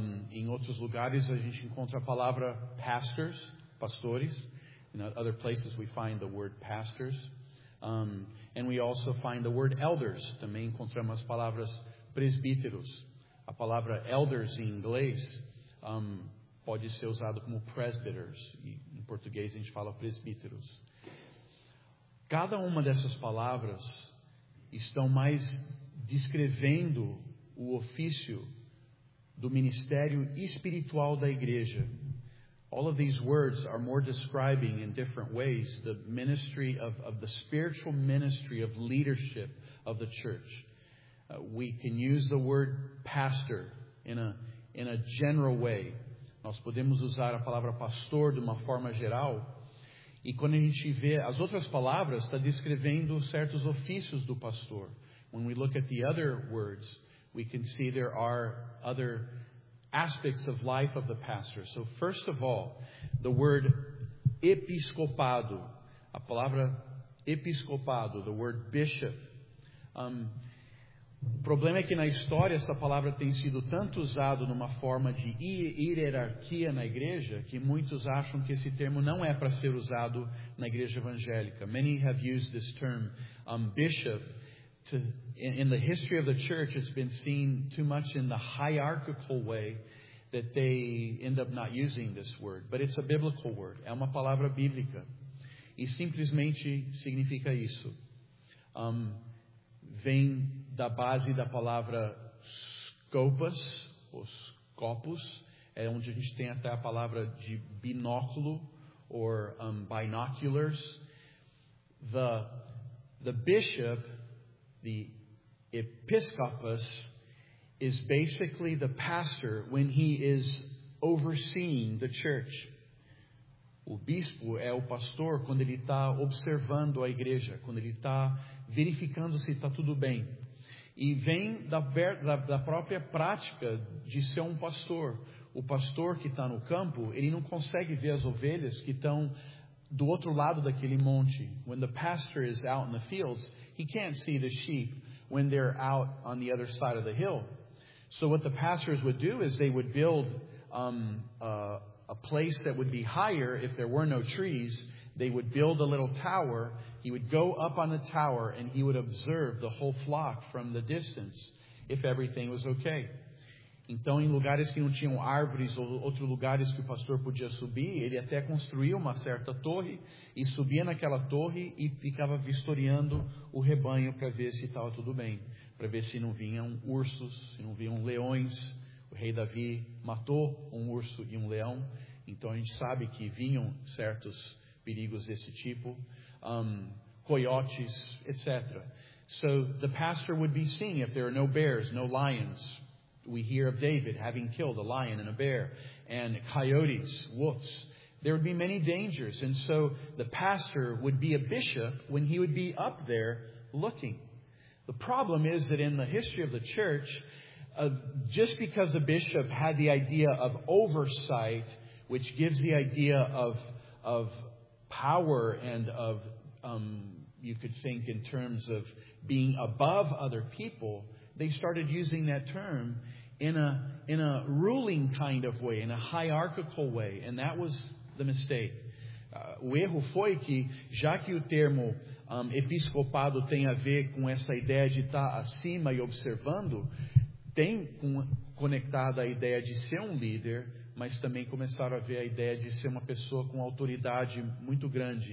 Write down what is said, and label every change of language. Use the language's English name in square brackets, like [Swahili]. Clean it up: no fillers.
[Portuguese] Em outros lugares a gente encontra a palavra pastors, pastores. [English] In other places we find the word pastors. And we also find the word elders. [Portuguese] Também encontramos as palavras presbíteros. A palavra elders em inglês pode ser usado como presbyters. E em português a gente fala presbíteros. Cada uma dessas palavras estão mais descrevendo o ofício do ministério espiritual da igreja. [English] All of these words are more describing in different ways the ministry of the spiritual ministry of leadership of the church. We can use the word pastor in a general way. [Portuguese] Nós podemos usar a palavra pastor de uma forma geral. E quando a gente vê as outras palavras, está descrevendo certos ofícios do pastor. [English] When we look at the other words, we can see there are other aspects of life of the pastor. So first of all, the word episcopado, [Portuguese] a palavra episcopado, [English] the word bishop. [Portuguese] O problema é que na história essa palavra tem sido tanto usado numa forma de hierarquia na igreja que muitos acham que esse termo não é para ser usado na igreja evangélica. [English] Many have used this term bishop to in the history of the church. It's been seen too much in the hierarchical way that they end up not using this word. But it's a biblical word. [Portuguese] É uma palavra bíblica. E simplesmente significa isso. Vem da base da palavra scopus, ou scopus, é onde a gente tem até a palavra de binóculo, [English] or binoculars. The bishop, the episcopus, is basically the pastor when he is overseeing the church. [Portuguese] O bispo é o pastor quando ele está observando a igreja, quando ele está verificando se está tudo bem. E vem da própria prática de ser um pastor. O pastor que está no campo, ele não consegue ver as ovelhas que estão do outro lado daquele monte. [English] When the pastor is out in the fields, he can't see the sheep when they're out on the other side of the hill. So what the pastors would do is they would build a place that would be higher if there were no trees. They would build a little tower. He would go up on the tower and he would observe the whole flock from the distance if everything was okay. [Portuguese] Então, em lugares que não tinham árvores ou outros lugares que o pastor podia subir, ele até construía uma certa torre e subia naquela torre e ficava vistoriando o rebanho para ver se estava tudo bem, para ver se não vinham ursos, se não vinham leões. O rei Davi matou um urso e um leão, então a gente sabe que vinham certos perigos desse tipo, coiotes, etc. [English] So the pastor would be seeing if there are no bears, no lions. We hear of David having killed a lion and a bear, and coyotes, wolves. There would be many dangers, and so the pastor would be a bishop when he would be up there looking. The problem is that in the history of the church, just because the bishop had the idea of oversight, which gives the idea of power and of, you could think in terms of being above other people, they started using that term in a ruling kind of way, in a hierarchical way, and that was the mistake. [Portuguese] O erro foi que, já que o termo episcopado tem a ver com essa ideia de estar acima e observando, tem conectada a ideia de ser um líder, mas também começaram a ver a ideia de ser uma pessoa com autoridade muito grande.